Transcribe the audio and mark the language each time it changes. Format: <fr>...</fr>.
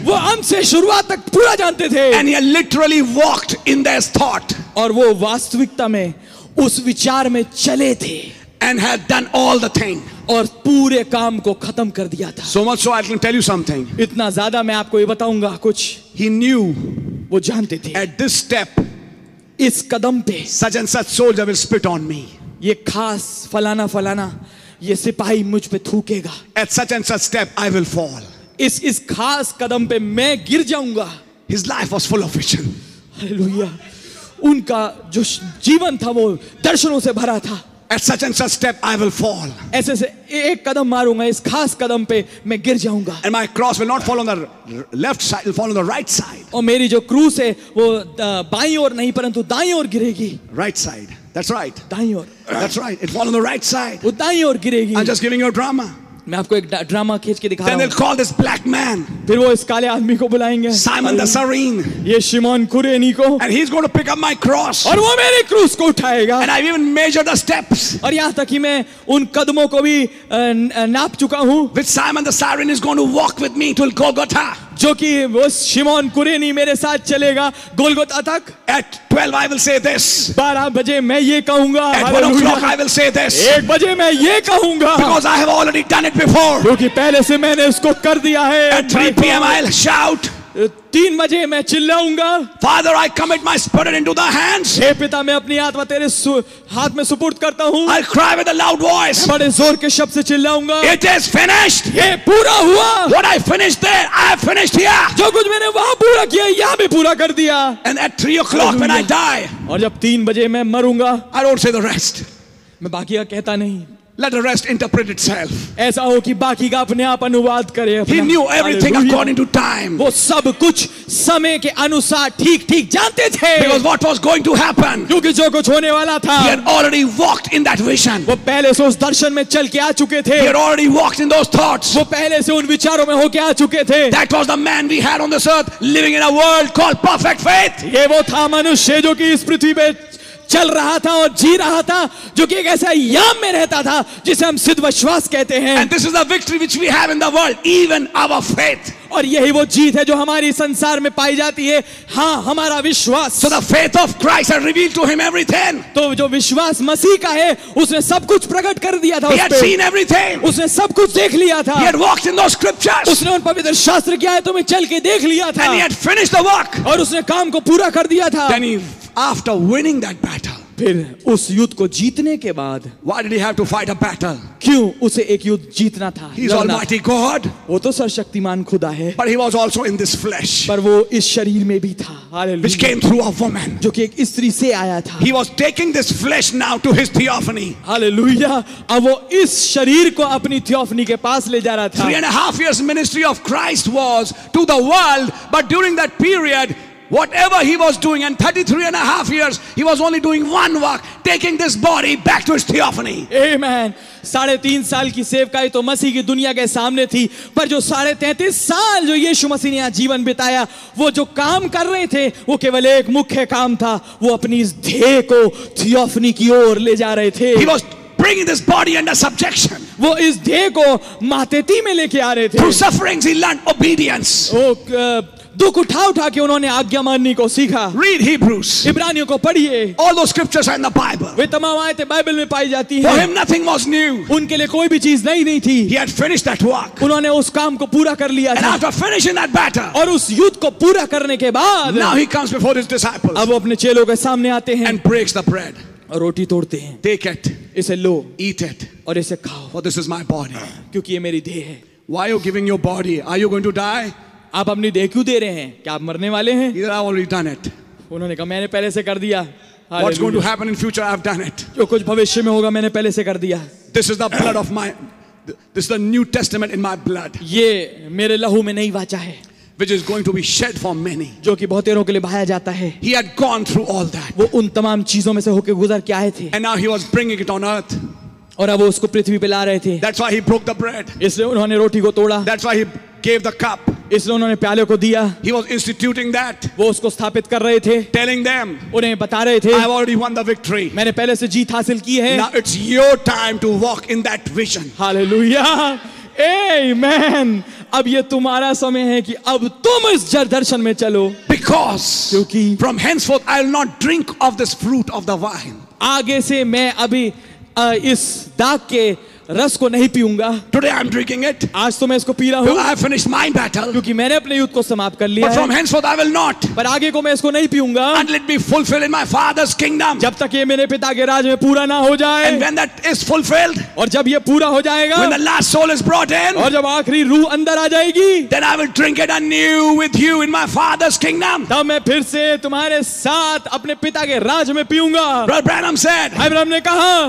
<hi>वो अंत से शुरुआत तक पूरा जानते थे.</hi> <en>And he literally walked in their thought.</en> <hi>और वो वास्तविकता में उस विचार में चले थे.</hi> <en>And had done all the thing.</en> <hi>और पूरे काम को खत्म कर दिया था</hi> <en>So much so I can tell you something.</en> <hi>इतना ज्यादा मैं आपको ये बताऊंगा कुछ</hi> <en>He knew</en> <hi>वो जानते थे</hi> <en>At this step,</en> <hi>इस कदम पे</hi> <en>such and such soldier will spit on me.</en> <hi>ये खास फलाना फलाना ये सिपाही मुझ पे थूकेगा</hi> <en>At such and such step, I will fall.</en> <hi>इस खास कदम पे मैं गिर जाऊंगा</hi> <en>His life was full of vision. Hallelujah.</en> <hi>उनका जो जीवन था वो दर्शनों से भरा था</hi> <en>At such and such step, I will fall.</en> <hi>ऐसे से एक कदम मारूंगा इस खास कदम पे मैं गिर जाऊंगा.</hi> <en>And my cross will not fall on the left side; it will fall on the right side.</en> <hi>और मेरी जो क्रूस है वो बाईं ओर नहीं परंतु दाईं ओर गिरेगी.</hi> <en>Right side. That's right.</en> <hi>दाईं ओर.</hi> <en>That's right. It fall on the right side.</en> <hi>वो दाईं ओर गिरेगी.</hi> <en>I'm just giving you a drama.</en> <hi>मैं आपको एक ड्रामा खींच के दिखा रहा हूँ.</hi> <en>Then they'll call this black man.</en> <hi>फिर वो इस काले आदमी को बुलाएंगे.</hi> <en>Simon the Cyrene.</en> <hi>ये शिमोन कुरेनी को.</hi> <en>And he's going to pick up my cross.</en> <hi>और वो मेरे क्रूस को उठाएगा.</hi> <en>And I've even measured the steps.</en> <hi>और यहाँ तक कि मैं उन कदमों को भी नाप चुका हूँ.</hi> <en>Which Simon the Cyrene is going to walk with me to Golgotha.</en> <hi>जो कि वो शिमोन कुरेनी मेरे साथ चलेगा गोलगोता तक.</hi> <en>At 12 I will say this.</en> <hi>12 बजे मैं ये कहूंगा.</hi> <en>At 1 o'clock I will say this.</en> <hi>1 बजे मैं ये कहूंगा.</hi> <en>Because I have already done it before.</en> <hi>क्योंकि पहले से मैंने इसको कर दिया है.</hi> <en>At 3 p.m. I'll shout.</en> <hi>3 बजे मैं चिल्लाऊंगा.</hi> <en>Father I commit my spirit into the hands.</en> <hi>हे पिता मैं अपनी आत्मा तेरे हाथ में सुपुर्द करता हूं.</hi> <en>I'll cry with a loud voice.</en> <hi>बड़े जोर के शब्द से चिल्लाऊंगा.</hi> <en>It is finished.</en> <hi>ये पूरा हुआ.</hi> <en>What I finished there, I have finished here.</en> <hi>जो कुछ मैंने वहां पूरा किया यहां भी पूरा कर दिया.</hi> <en>And at 3 o'clock when I die.</en> <hi>और जब 3 बजे मैं मरूंगा.</hi> <en>I don't say the rest.</en> <hi>मैं बाकी का कहता नहीं.</hi> <en>Let the rest interpret itself.</en> <hi>ऐसा हो कि बाकी का अपने आप अनुवाद करे.</hi> <en>He knew everything according to time.</en> <hi>वो सब कुछ समय के अनुसार ठीक-ठीक जानते थे.</hi> <en>Because what was going to happen?</en> <hi>क्योंकि जो कुछ होने वाला था.</hi> <en>He had already walked in that vision.</en> <hi>वो पहले से उस दर्शन में चल के आ चुके थे.</hi> <en>He had already walked in those thoughts.</en> <hi>वो पहले से उन विचारों में होके आ चुके थे.</hi> <en>That was the man we had on this earth, living in a world called perfect faith.</en> <hi>ये वो था मनुष्य जो कि इस पृथ्वी पे चल रहा था और जी रहा था, जो कि एक ऐसा याम में रहता था जिसे हम सिद्ध विश्वास कहते हैं।</hi> <en>And this is the victory which we have in the world, even our faith.</en> <hi>और यही वो जीत है जो हमारी संसार में पाई जाती है, हाँ हमारा विश्वास।</hi> <en>So the faith of Christ had revealed to him everything.</en> <hi>तो जो विश्वास मसीह का है उसने सब कुछ प्रकट कर दिया था।</hi> <en>He had seen everything.</en> <hi>उसने सब कुछ देख लिया था।</hi> <en>He had walked in those scriptures.</en> <hi>उसने उन पवित्र शास्त्र की आयतों में चल के देख लिया था।</hi> <en>And he had finished the work.</en> <hi>और उसने काम को पूरा कर दिया था।</hi> <en>Then after winning that battle.</en> <hi>फिर उस युद्ध को जीतने के बाद,</hi> <en>Why did he have to fight a battle?</en> <hi>क्यों उसे एक युद्ध जीतना था?</hi> <en>He is Almighty God.</en> <hi>वो तो सर्वशक्तिमान खुदा है।</hi> <en>But he was also in this flesh.</en> <hi>पर वो इस शरीर में भी था। Hallelujah.</hi> <en>Which came through a woman.</en> <hi>जो कि एक स्त्री से आया था।</hi> <en>He was taking this flesh now to his theophany. Hallelujah.</en> <hi>अब वो इस शरीर को अपनी थियोफनी के पास ले जा रहा था।</hi> <en>3.5 years ministry of Christ was to the world, but during that period. Whatever he was doing, and 33.5 years, he was only doing one work, taking this body back to his theophany. Amen.</en> <hi>3.5 साल की सेवकाई तो मसीह की दुनिया के सामने थी, पर जो 33.5 साल जो यीशु मसीह ने यहाँ जीवन बिताया, वो जो काम कर रहे थे वो केवल एक मुख्य काम था, वो अपनी इस ध्येय को थियोफनी की ओर ले जा रहे थे।</hi> <en>He was bringing this body under subjection.</en> <hi>वो इस ध्येय को मातेती में लेके आ रहे थे।</hi> <en>Through sufferings, he learned obedience.</en> <hi>दुख उठा उठा के उन्होंने आज्ञा माननी को सीखा।</hi> <en>Read Hebrews.</en> <hi>इब्रानियों को पढ़िए।</hi> <en>All those scriptures are in the Bible.</en> <hi>वे तमाम आयतें बाइबल में पाई जाती हैं।</hi> <en>For him nothing was new.</en> <hi>उनके लिए कोई भी चीज नई नहीं थी।</hi> <en>He had finished that work.</en> <hi>उन्होंने उस काम को पूरा कर लिया था।</hi> <en>And after finishing that battle.</en> <hi>और उस युद्ध को पूरा करने के बाद,</hi> <en>Now he comes before his disciples.</en> <hi>अब अपने चेलों के सामने आते हैं।</hi> <en>And breaks the bread.</en> <hi>और रोटी तोड़ते हैं।</hi> <en>Take it.</en> <hi>इसे लो।</hi> <en>Eat it.</en> <hi>और इसे खाओ।</hi> <en>For this is my body.</en> <hi>क्योंकि ये मेरी देह है।</hi> <en>Why are you giving your body? Are you going to die?</en> <hi>आप अपनी देह क्यों दे रहे हैं? क्या आप मरने वाले हैं? उन्होंने कहा मैंने पहले से कर दिया।</hi> <en>What's going to happen in future? I've done it.</en> <hi>जो कुछ भविष्य में होगा मैंने पहले से कर दिया।</hi> <en>This is the blood of my, this is the New Testament in my blood.</en> <hi>ये मेरे लहू में नई वाचा है।</hi> <en>Which is going to be shed for many.</en> <hi>जो कि बहुतेरों के लिए बहाया जाता है।</hi> <en>He had gone through all that.</en> <hi>वो उन तमाम चीजों में से होके गुजर के आए थे।</hi> <en>And now he was bringing it on earth.</en> <hi>और अब वो उसको पृथ्वी पे ला रहे थे।</hi> <en>That's why he broke the bread.</en> <hi>इसलिए उन्होंने रोटी को तोड़ा।</hi> <en>That's why he gave the cup.</en> <hi>इसलिए उन्होंने प्याले को दिया।</hi> <en>He was instituting that.</en> <hi>वो उसको स्थापित कर रहे थे।</hi> <en>Telling them.</en> <hi>उन्हें बता रहे थे।</hi> <en>I have already won the victory.</en> <hi>मैंने पहले से जीत हासिल की है।</hi> <en>Now it's your time to walk in that vision. Hallelujah. Amen.</en> <hi>अब ये तुम्हारा समय है कि अब तुम इस जड़ दर्शन में चलो।</hi> <en>Because.</en> <hi>क्योंकि।</hi> <en>From henceforth I will not drink of this fruit of the vine.</en> <hi>आगे से मैं अभी इस दाग के रस को नहीं पीऊंगा।</hi> <en>Today I'm drinking it.</en> <hi>आज तो मैं इसको पी रहा हूँ।</hi> <en>I have finished my battle.</en> <hi>क्योंकि मैंने अपने युद्ध को समाप्त कर लिया।</hi> <en>But from henceforth I will not.</en> <hi>पर आगे को मैं इसको नहीं पीऊंगा।</hi> <en>Until it be fulfilled in my father's kingdom.</en> <hi>जब तक ये मेरे पिता के राज में पूरा ना हो जाए।</hi> <en>And when that is fulfilled.</en> <hi>और जब ये पूरा हो जाएगा।</hi> <en>When the last soul is brought in.</en> <hi>और जब आखिरी रूह अंदर आ जाएगी।</hi> <en>Then I will drink it anew with you in my father's kingdom.</en> <hi>तब मैं फिर से तुम्हारे साथ अपने पिता के राज में पीऊंगा।</hi> <en>Brother Branham said.</en> <hi>Abraham ने कहा।</hi>